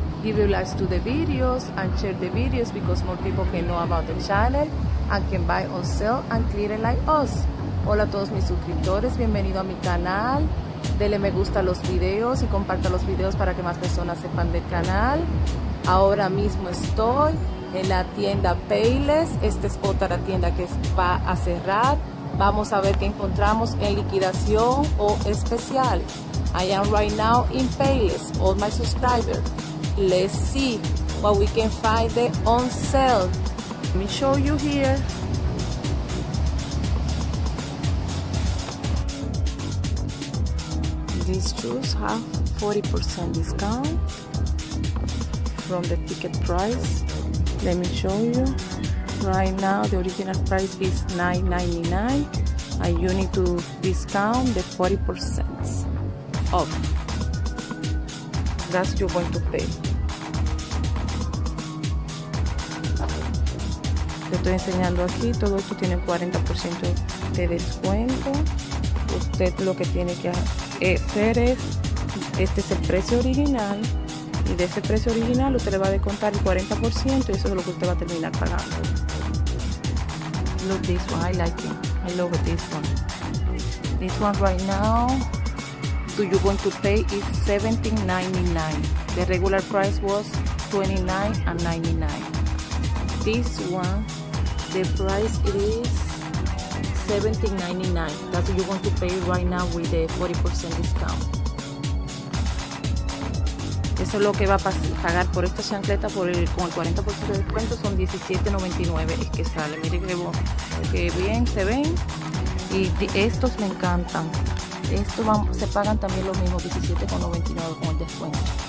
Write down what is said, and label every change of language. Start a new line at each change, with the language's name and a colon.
English: Give your likes to the videos and share the videos because more people can know about the channel and can buy on sale and clear it like us.
Spanish: Hola a todos mis suscriptores, bienvenido a mi canal. Dele me gusta a los videos y comparta los videos para que más personas sepan del canal. Ahora mismo estoy en la tienda Payless. Esta es otra tienda que va a cerrar. Vamos a ver qué encontramos en liquidación o especial.
English: I am right now in Payless. All my subscribers, let's see what we can find there on sale. Let me show you here. These shoes have 40% discount from the ticket price. Let me show you. Right now the original price is $9.99 and you need to discount the 40% off. That's you're going to pay.
Spanish: Te estoy enseñando aquí, todo esto tiene 40% de descuento. Usted lo que tiene que hacer es, este es el precio original, y de ese precio original usted le va a descontar el 40% y eso es lo que usted va a terminar pagando.
English: Look this one, I like it, I love this one. This one right now, do you going to pay is $17.99. The regular price was $29.99. This one, the price is $17.99. That's what you want to pay right now with the 40% discount.
Spanish: Eso es lo que va a pagar por esta chancleta con el 40% de descuento, son $17.99. Es que sale, mire que bien se ven. Y estos me encantan. Estos se pagan también lo mismo, $17.99 con el descuento.